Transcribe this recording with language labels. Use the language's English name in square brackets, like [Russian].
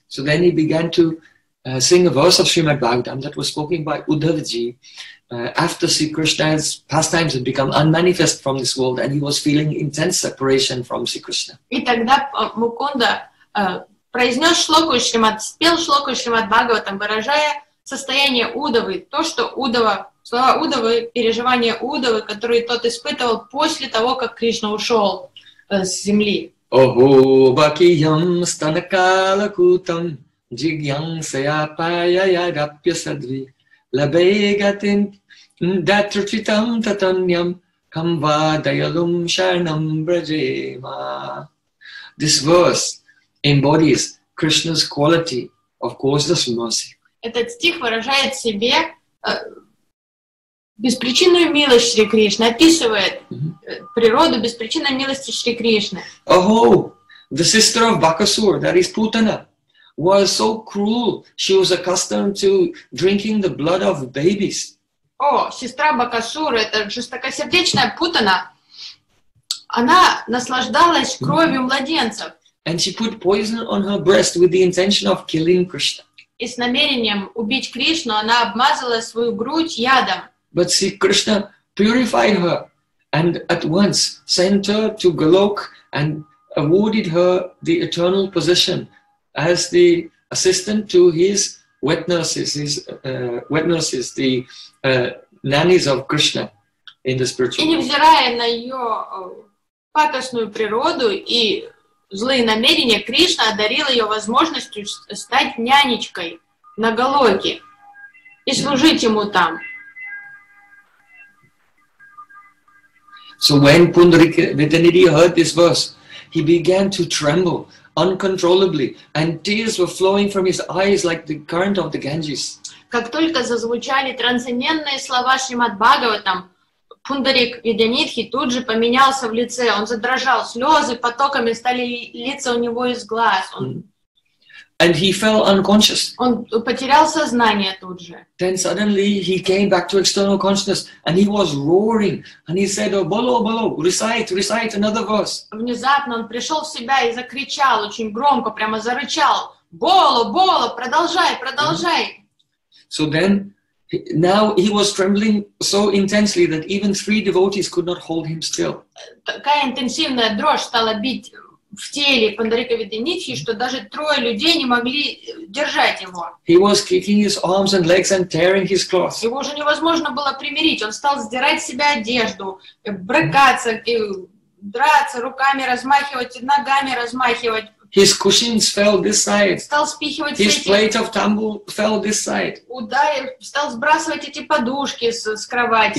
[English] So then he began to sing a verse of Srimad Bhagavatam that was spoken by Uddhavji after Sri Krishna's pastimes had become unmanifest from this world, and he was feeling intense separation from Sri Krishna. [Russian] И тогда Мукунда произнес шлоку Шримад, спел шлоку Шримад Бхагаватам, выражая состояние Удавы, то, что Удава, слова Удавы, переживания Удавы, которые тот испытывал после того, как Кришна ушел с земли. [Sanskrit] Охо бакиям станакала кутам джигьянсая паяя рапья садви лабегатин датрчитам татаньям камва даялум шарнам браджема. [English] This verse embodies Krishna's quality of causeless mercy. [Russian] Этот стих выражает в себе беспричинную милость Шри Кришны, описывает природу беспричинной милости Шри Кришны. [English] Oho, the sister of Bakasur, that is Putana, was so cruel, she was accustomed to drinking the blood of babies. [Russian] О, сестра Бакасур, это жестокосердечная Путана, она наслаждалась кровью младенцев. [English] And she put poison on her breast with the intention of killing Krishna. [Russian] И с намерением убить Кришну она обмазала свою грудь ядом. [English] But see, Krishna purified her and at once sent her to Golok and awarded her the eternal position as the assistant to his wet nurses, the nannies of Krishna in the spiritual world. [Russian] И невзирая на ее пакостную природу и злые намерения, Кришна одарил ее возможностью стать нянечкой на Голоке и служить ему там. [English] So when Pundarika Vidyanidhi heard this verse, he began to tremble uncontrollably, and tears were flowing from his eyes like the current of the Ganges. [Russian] Как только зазвучали трансцендентные слова Шримад Бхагаватам, Пундарик Видянитхи тут же поменялся в лице, он задрожал, слезы потоками стали литься у него из глаз. [English] And he fell unconscious. [Russian] Он потерял сознание тут же. [English] Then suddenly he came back to external consciousness and he was roaring and he said, oh, Bolo, Bolo, recite another verse. [Russian] Внезапно он пришел в себя и закричал очень громко, прямо зарычал, Bolo, Bolo, продолжай. [English] So then, now he was trembling so intensely that even three devotees could not hold him still. [Russian] Такая интенсивная дрожь стала бить в теле Пандарика Виданитхи, что даже трое людей не могли держать его. [English] He was kicking his arms and legs and tearing his clothes. [Russian] Его уже невозможно было примирить. Он стал сдирать с себя одежду, брыкаться, драться, руками размахивать, ногами размахивать. [English] His cushions fell this side. [Russian] Стал спихивать [English] his plate of tambu fell this side. [Russian] Ударил, стал сбрасывать эти подушки с кровати.